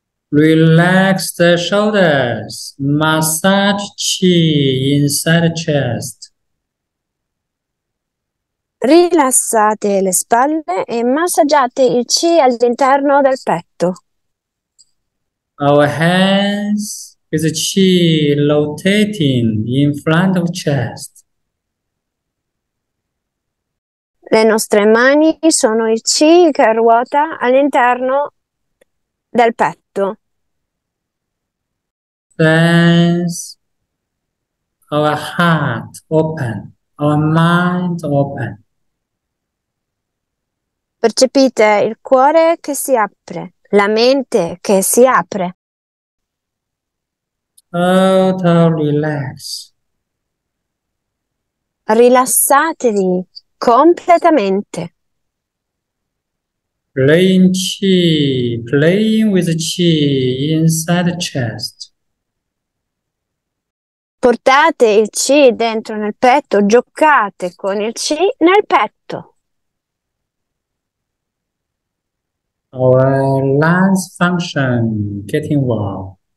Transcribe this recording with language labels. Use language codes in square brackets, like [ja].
[en] Relax the shoulders, massage qi inside chest. [it] Rilassate le spalle e massaggiate il chi all'interno del petto. [en] Our hands with qi rotating in front of chest. [it] Le nostre mani sono il chi che ruota all'interno del petto. [en] Sense our heart open, our mind open. [it] Percepite il cuore che si apre, la mente che si apre. [en] Total relax. [it] Rilassatevi completamente. [en] Playing qi, playing with qi inside the chest. [it] Portate il chi dentro nel petto, giocate con il chi nel petto. [en] Our lungs function, getting well.